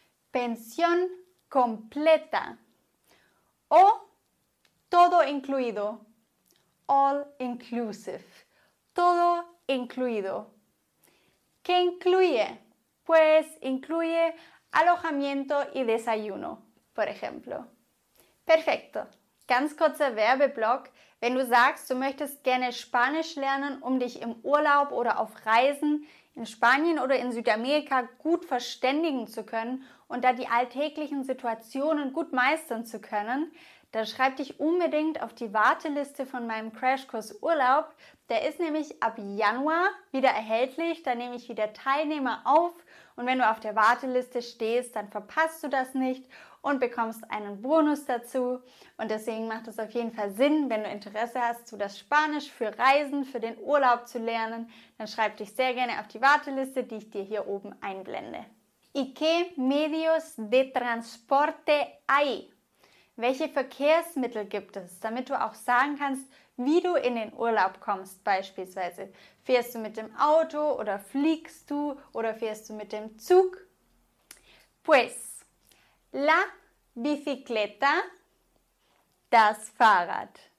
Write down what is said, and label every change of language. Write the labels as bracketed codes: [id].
[es] Pensión completa. O todo incluido. [en] All inclusive. [es] Todo incluido. ¿Qué incluye? Pues incluye alojamiento y desayuno, por ejemplo. Perfecto. [de] Ganz kurzer Werbeblock. Wenn du sagst, du möchtest gerne Spanisch lernen, um dich im Urlaub oder auf Reisen in Spanien oder in Südamerika gut verständigen zu können und da die alltäglichen Situationen gut meistern zu können, dann schreib dich unbedingt auf die Warteliste von meinem Crashkurs Urlaub. Der ist nämlich ab Januar wieder erhältlich. Da nehme ich wieder Teilnehmer auf. Und wenn du auf der Warteliste stehst, dann verpasst du das nicht und bekommst einen Bonus dazu. Und deswegen macht es auf jeden Fall Sinn, wenn du Interesse hast, so das Spanisch für Reisen, für den Urlaub zu lernen, dann schreib dich sehr gerne auf die Warteliste, die ich dir hier oben einblende. [es] ¿Y qué medios de transporte hay? [de] Welche Verkehrsmittel gibt es, damit du auch sagen kannst, wie du in den Urlaub kommst beispielsweise? Fährst du mit dem Auto oder fliegst du oder fährst du mit dem Zug? [es] Pues, la bicicleta, [de] das Fahrrad.